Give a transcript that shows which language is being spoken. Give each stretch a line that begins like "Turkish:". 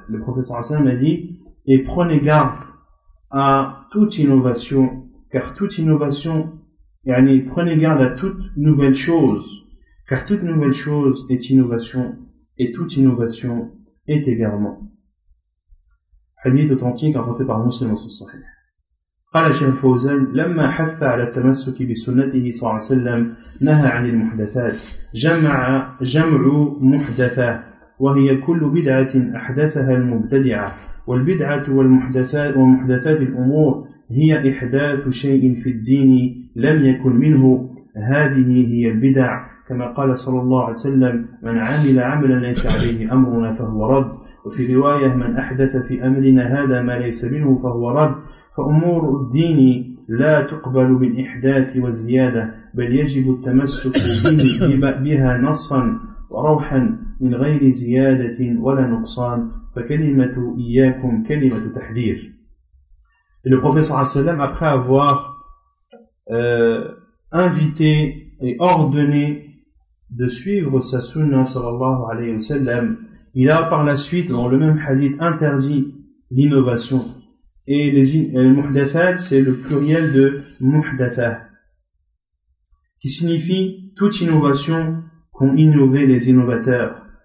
French: Le prophète sallallahu alayhi wa sallam a dit, et prenez garde à toute innovation, car toute innovation, yani prenez garde à toute nouvelle chose, car toute nouvelle chose est innovation, et toute innovation est égarement. Hadith authentique rapporté par Muslim dans son Sahih.
Arabic: قال الشيخ الفوزان لما حث على التمسك بسنته صلى الله عليه وسلم نهى عن المحدثات جمع محدثة وهي كل بدعة أحدثها المبتدعة والبدعة والمحدثات ومحدثات الأمور هي إحداث شيء في الدين لم يكن منه هذه هي البدع كما قال صلى الله عليه وسلم من عمل عملا ليس عليه أمرنا فهو رد وفي رواية من أحدث في أمرنا هذا ما ليس منه فهو رد فأمور الدين لا تقبل بالإحداث والزيادة بل يجب التمسك بها نصا وروحا من غير زيادة ولا نقصان فكلمة إياكم كلمة تحذير.
French: Le professeur Hassan, après avoir invité et ordonné de suivre sa sunna sallallahu alayhi wa sallam, il a par la suite dans le même hadith interdit l'innovation. Et les muhdathat, c'est le pluriel de muhdatha, qui signifie toute innovation qu'ont innové les innovateurs.